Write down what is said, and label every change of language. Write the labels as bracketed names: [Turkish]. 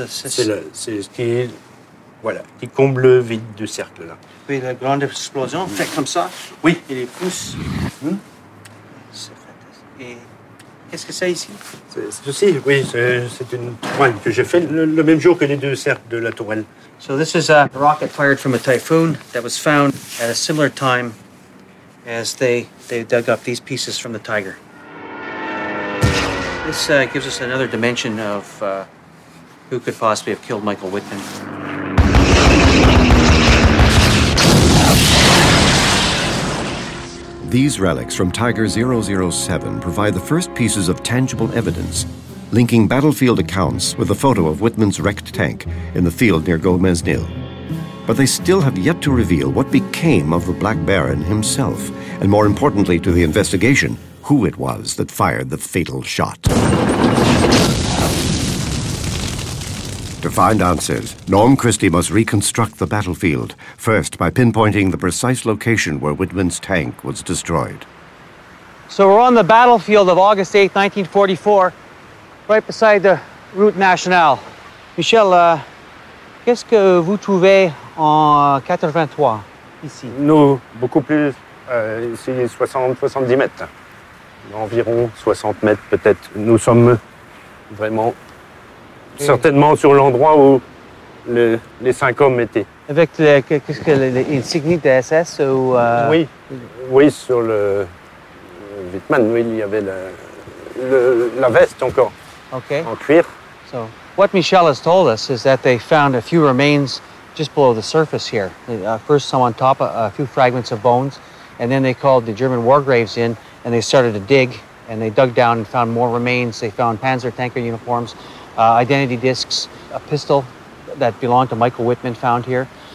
[French] C'est ce qui comble le vide du cercle là. Oui, la grande explosion, fait comme ça. Oui. Et les pousses. Mmh. Et qu'est-ce que c'est ici? C'est une toile que j'ai faite le même jour que les deux cercles de la tourelle. [English] So this is a rocket fired from a typhoon that was found at a similar time as they dug up these pieces from the Tiger. This gives us another dimension of who could possibly have killed Michael Wittman. These relics from Tiger 007 provide the first pieces of tangible evidence linking battlefield accounts with a photo of Whitman's wrecked tank in the field near Gomesnil. But they still have yet to reveal what became of the Black Baron himself, and more importantly to the investigation, who it was that fired the fatal shot. To find answers, Norm Christie must reconstruct the battlefield, first by pinpointing the precise location where Whitman's tank was destroyed. So we're on the battlefield of August 8, 1944, right beside the Route Nationale. [French] Michel, qu'est-ce que vous trouvez en 83, ici? Nous, beaucoup plus, ici, 70 mètres. Environ 60 mètres, peut-être. Nous sommes vraiment... Certainement sur l'endroit où les cinq hommes étaient. Avec les insignes des SS ou... Oui, sur le Wittman, oui, il y avait la veste encore, [English] okay. [French] En cuir. [English] So, what Michel has told us is that they found a few remains just below the surface here. First some on top, a few fragments of bones, and then they called the German war graves in and they started to dig, and they dug down and found more remains. They found Panzer tanker uniforms, identity discs, a pistol that belonged to Michael Wittman found here.